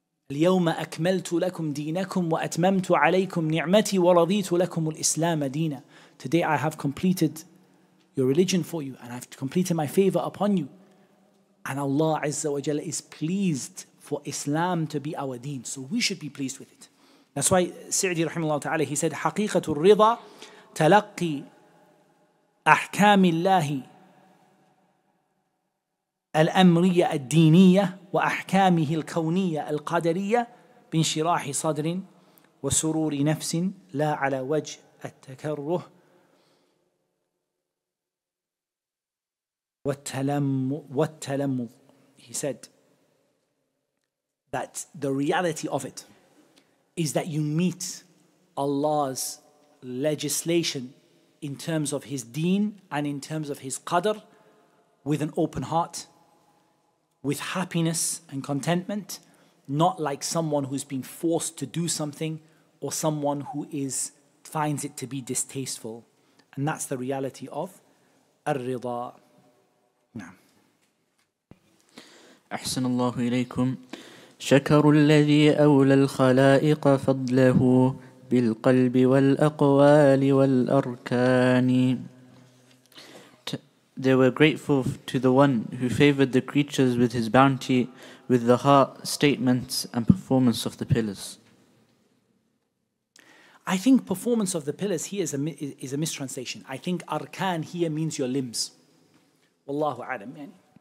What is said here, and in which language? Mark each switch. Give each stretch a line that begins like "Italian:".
Arabic: الْيَوْمَ أَكْمَلْتُ لَكُمْ دِينَكُمْ وَأَتْمَمْتُ عَلَيْكُمْ نِعْمَتِي وَرَضِيتُ لَكُمُ الْإِسْلَامَ دِينَ.
English: Today I have completed your religion for you and I've completed my favor upon you. And Allah Azza wa Jalla is pleased for Islam to be our deen. So we should be pleased with it. That's why Sa'di rahimahullah ta'ala, he said,
Arabic: حَقِيقَةُ الرِّضَى تَلَقِّي أَحْكَامِ اللَّهِ الأمرية الدينية وأحكامه الكونية القدرية بانشراح صدر وسرور نفس لا على وجه التكره والتلمذ.
English: He said that the reality of it is that you meet Allah's legislation in terms of His deen and in terms of His qadr with an open heart, with happiness and contentment, not like someone who's been forced to do something or someone who finds it to be distasteful. And that's the reality of الرِّضَى.
Arabic: نعم. أحسن الله إليكم. شكر الذي أولى الخلائق فضله بالقلب والأقوال والأركان.
English: They were grateful to the one who favored the creatures with his bounty, with the heart, statements, and performance of the pillars. I think performance of the pillars here is a mistranslation. I think arkan here means your limbs. Wallahu alam.